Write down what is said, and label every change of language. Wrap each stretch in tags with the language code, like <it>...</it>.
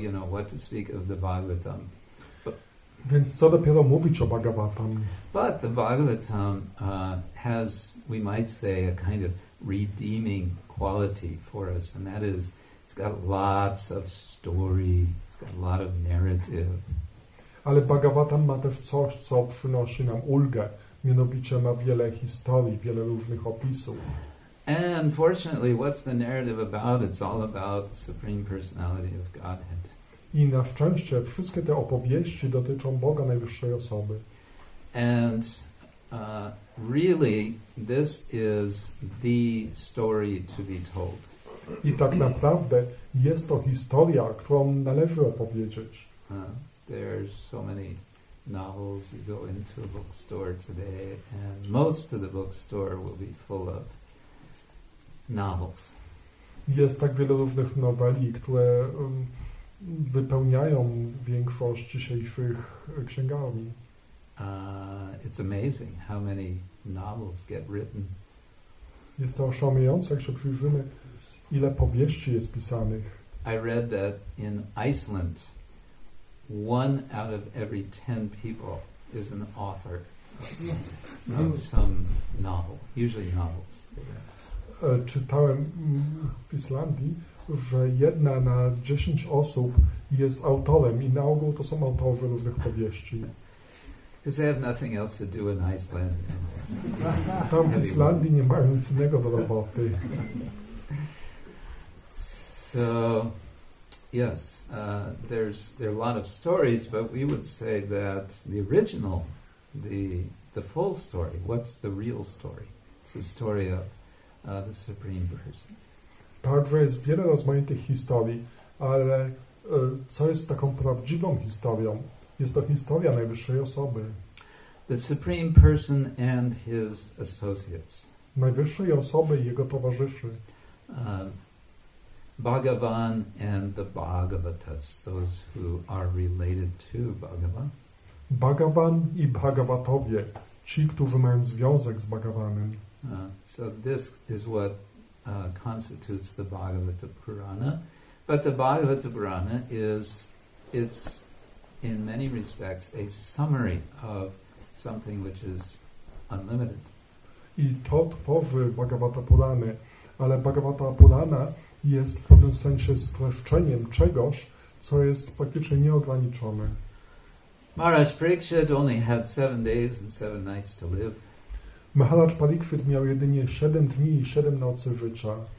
<en>what to speak of the Bhagavatam.</en> <pl>Więc co dopiero mówić o Bhagavatam?</pl> <en>But the Bhagavatam has, we might say, a kind of redeeming quality for us, and that is, it's got lots of story, it's got a lot of narrative.</en> <pl>Ale Bhagavatam ma też coś, co przynosi nam ulgę, mianowicie ma wiele historii, wiele różnych opisów.</pl> <en>And fortunately, what's the narrative about? It's all about the Supreme Personality of Godhead.</en> <pl>I na szczęście wszystkie te opowieści dotyczą Boga Najwyższej Osoby.</pl> <en>And really, this is the story to be told.</en> <pl>I tak naprawdę jest to historia, którą należy opowiedzieć.</pl> <en>There's so many novels. You go into a bookstore today, and most of the bookstore will be full of novels.</en> <pl>Jest tak wiele różnych noweli, które wypełniają większość dzisiejszych księgarni.</pl> <en>It's amazing how many novels get written.</en> <pl>Jest to oszałamiające, jak się przyjrzymy, ile powieści jest pisanych.</pl> <en>I read that in Iceland, one out of every 10 people is an author of some novel, usually novels.</en> <pl>Czytałem w Islandii, że jedna na 10 osób jest autorem i na ogół to są autorzy różnych powieści.</pl> <en>Because they have nothing else to do in Iceland.</en> <pl>Tam w Islandii nie mają nic innego do roboty.</pl> <en>So, yes, there are a lot of stories, but we would say that the original, the full story, what's the real story? It's the story of the Supreme Person.</en> <pl>Także jest wiele rozmaitych historii, ale co jest taką prawdziwą historią? Jest to historia Najwyższej Osoby.</pl> <en>The Supreme Person and His Associates.</en> <pl>Najwyższej Osoby i Jego Towarzyszy.</pl> <en>Bhagavan and the Bhagavatas, those who are related to Bhagavan.</en> <pl>Bhagavan i Bhagavatowie, ci, którzy mają związek z Bhagavanem.</pl> <en>So this is what constitutes the Bhagavata Purana. But the Bhagavata Purana is, it's in many respects, a summary of something which is unlimited.</en> <pl>I to tworzy Bhagavata Purana, ale Bhagavata Purana jest w pewnym sensie streszczeniem czegoś, co jest praktycznie nieograniczone.</pl> <en>Maharaj Parikshit only had 7 days and 7 nights to live.</en> <pl>Maharaj Parikshit miał jedynie 7 dni i 7 nocy życia.</pl>